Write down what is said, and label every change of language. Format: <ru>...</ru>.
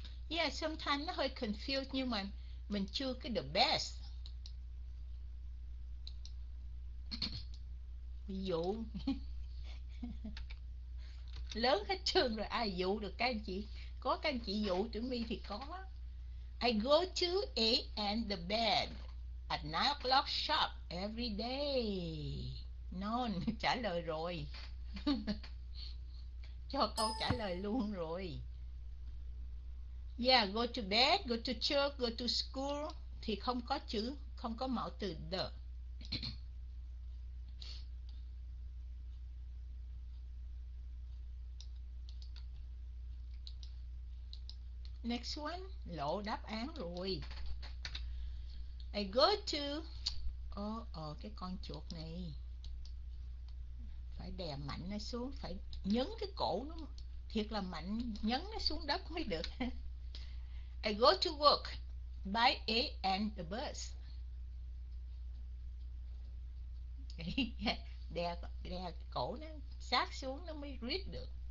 <en>Yeah, sometimes</en> <vi>nó hơi</vi> <en>confused</en> <vi>nhưng mà mình chưa cái</vi> <en>the best.</en> <vi>Ví dụ lớn hết trường rồi ai dụ được các anh chị? Có các anh chị dụ tụi mi thì có.</vi> <en>I go to A and the bed at 9 o'clock sharp every day.</en> <vi>Non trả lời rồi. Cho câu trả lời luôn rồi.</vi> <en>Yeah, go to bed, go to church, go to school.</en> <vi>Thì không có chữ, không có mẫu từ the.</vi> <en>Next one,</en> <vi>lộ đáp án rồi.</vi> <en>I go to,</en> <vi>cái con chuột này phải đè mạnh nó xuống, phải nhấn cái cổ nó thiệt là mạnh, nhấn nó xuống đất mới được.</vi> <en>I go to work by A and the bus.</en> <vi>Đè đè cái cổ nó sát xuống nó mới rít được.</vi>